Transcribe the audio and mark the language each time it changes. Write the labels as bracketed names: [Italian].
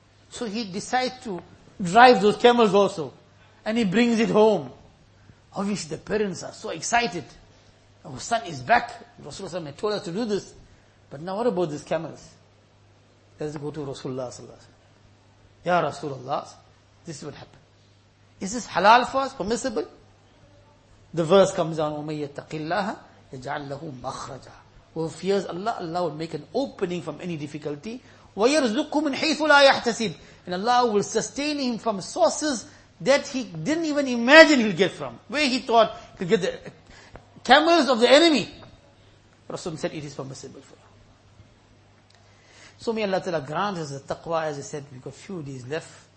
[English] So he decides to drive those camels also. And he brings it home. Obviously the parents are so excited. Our son is back. Rasulullah had told us to do this. But now what about these camels? Let's go to Rasulullah sallallahu alaihi wasallam. Ya Rasulullah, this is what happened. Is this halal for us, permissible? The verse comes down, [Arabic] وَمَنْ يَتَّقِ اللَّهَ يَجْعَلْ لَهُ مَخْرَجًا. [English] Who fears Allah, Allah will make an opening from any difficulty. [Arabic] وَيَرْزُقُّ مِنْ حَيْثُ لَا يَحْتَسِبُ. [English] And Allah will sustain him from sources that he didn't even imagine he'll get from. Where he thought he'll get the camels of the enemy. Rasulullah said, it is permissible for you. So may Allah Ta'ala grant us the taqwa, as I said, we've got few days left.